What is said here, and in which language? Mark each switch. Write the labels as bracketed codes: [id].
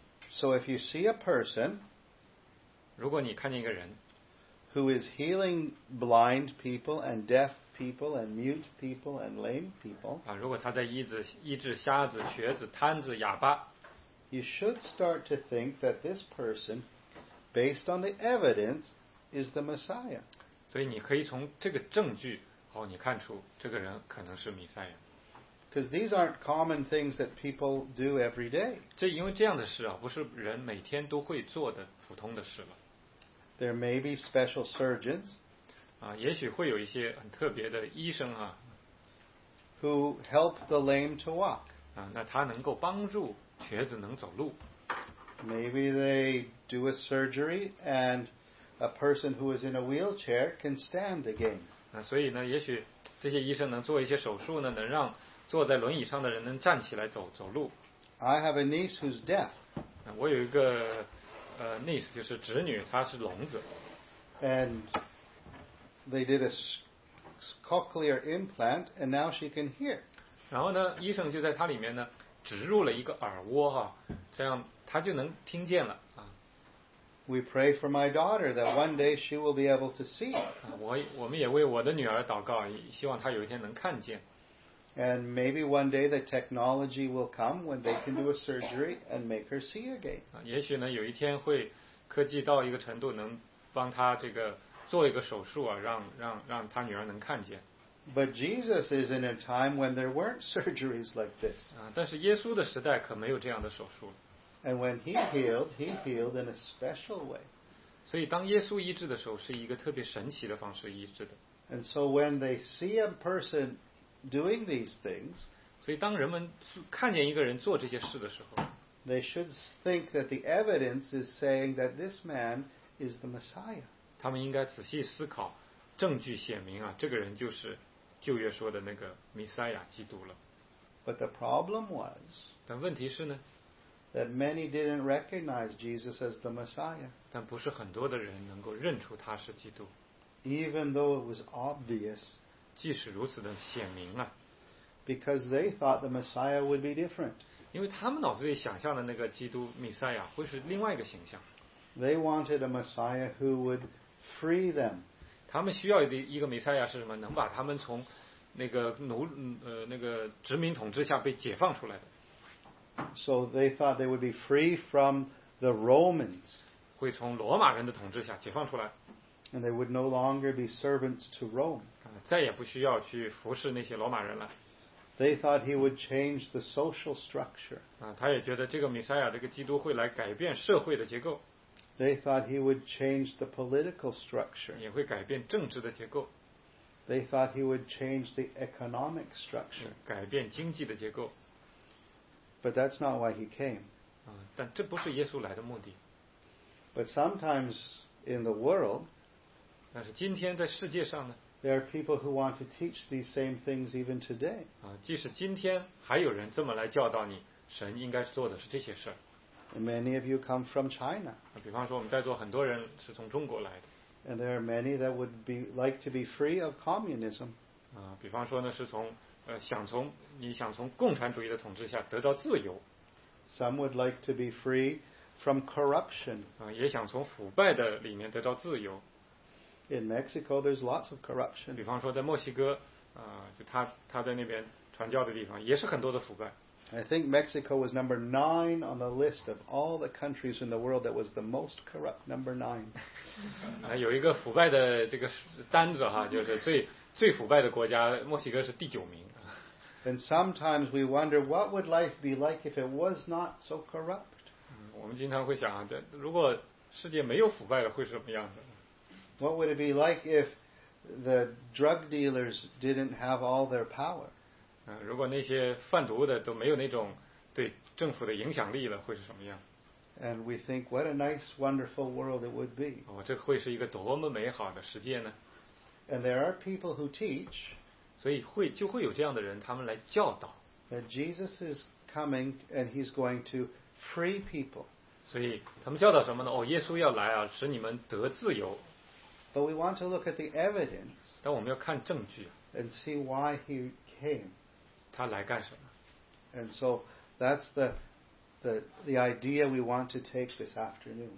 [en] So if you see a person, [zh] 如果你看见一个人 [en] who is healing blind people and deaf people and mute people and lame people, [zh] 啊，如果他在医治瞎子、瘸子、瘫子、哑巴， [en] you should start to think that this person, based on the evidence, is the Messiah. [zh] 所以你可以从这个证据。哦，你看出这个人可能是弥赛亚。 [en] Because these aren't common things that people do every day. [zh] 这因为这样的事啊，不是人每天都会做的普通的事了。 [en] There may be special surgeons. [zh] 啊，也许会有一些很特别的医生啊。 [en] Who help the lame to walk. [zh] 啊，那他能够帮助瘸子能走路。 [en] Maybe they do a surgery and a person who is in a wheelchair can stand again. [zh] 那所以呢，也许这些医生能做一些手术呢，能让坐在轮椅上的人能站起来走路。 [en] I have a niece who's deaf. [zh] 我有一个niece 就是侄女，她是聋子。 [en] And they did a cochlear implant, and now she can hear. [zh] 然后呢，医生就在她里面呢植入了一个耳蜗哈，这样她就能听见了。 [en] We pray for my daughter that one day she will be able to see. [zh] 我们也为我的女儿祷告，希望她有一天能看见。 [en] And maybe one day the technology will come when they can do a surgery and make her see again. [zh] 也许呢，有一天会科技到一个程度，能帮她这个做一个手术啊，让她女儿能看见。 [en] But Jesus is in a time when there weren't surgeries like this. [zh] 但是耶稣的时代可没有这样的手术。 [en] And when he healed in a special way. [zh] 所以当耶稣医治的时候，是一个特别神奇的方式医治的。 [en] And so when they see a person doing these things, [zh] 所以当人们看见一个人做这些事的时候， [en] they should think that the evidence is saying that this man is the Messiah. [zh] 他们应该仔细思考，证据显明啊，这个人就是旧约说的那个弥赛亚基督了。 [en] But the problem was. [zh] 但问题是呢？ [en] That many didn't recognize Jesus as the Messiah. [zh] 但不是很多的人能够认出他是基督。 [en] Even though it was obvious. [zh] 即使如此的显明啊。 [en] Because they thought the Messiah would be different. [zh] 因为他们脑子里想象的那个基督弥赛亚会是另外一个形象。 [en] They wanted a Messiah who would free them. [zh] 他们需要一个弥赛亚是什么？能把他们从那个殖民统治下被解放出来的。 [en] So they thought they would be free from the Romans. [zh] 会从罗马人的统治下解放出来。 [en] And they would no longer be servants to Rome. [zh] 再也不需要去服侍那些罗马人了。 [en] They thought he would change the social structure. [zh] 他也觉得这个弥赛亚，这个基督会来改变社会的结构。 [en] They thought he would change the political structure. [zh] 也会改变政治的结构。 [en] They thought he would change the economic structure. [zh] 改变经济的结构。 [en] But that's not why he came. [zh] 但这不是耶稣来的目的。 [en] But sometimes in the world, [zh] 但是今天在世界上呢？ [en] There are people who want to teach these same things even today. [zh] 即使今天还有人这么来教导你，神应该做的是这些事。 [en] And many of you come from China. [zh] 比方说我们在座很多人是从中国来的。 [en] And there are many that would be like to be free of communism. [zh] 比方说呢是从你想从共产主义的统治下得到自由。 [en] Some would like to be free from corruption. [zh] 也想从腐败的里面得到自由。 [en] In Mexico, there's lots of corruption. [zh] 比方说在墨西哥，就他在那边传教的地方，也是很多的腐败。 [en] I think Mexico was number 9 on the list of all the countries in the world that was the most corrupt. Number 9. [zh] 有一个腐败的这个单子哈，就是最腐败的国家，墨西哥是第九名。 [en] And sometimes we wonder what would life be like if it was not so corrupt. [zh] 我们经常会想，如果世界没有腐败了，会是什么样子？ [en] What would it be like if the drug dealers didn't have all their power? [zh] 如果那些贩毒的都没有那种对政府的影响力了，会是什么样？ [en] And we think what a nice, wonderful world it would be. [zh] 这会是一个多么美好的世界呢？ [en] And there are people who teach. [zh] 所以就会有这样的人，他们来教导。 [en] That Jesus is coming and he's going to free people. [zh] 所以他们教导什么呢？耶稣要来啊，使你们得自由。 [en] But we want to look at the evidence. [zh] 但我们要看证据。 [en] And see why he came. [zh] 他来干什么？ [en] And so that's the idea we want to take this afternoon.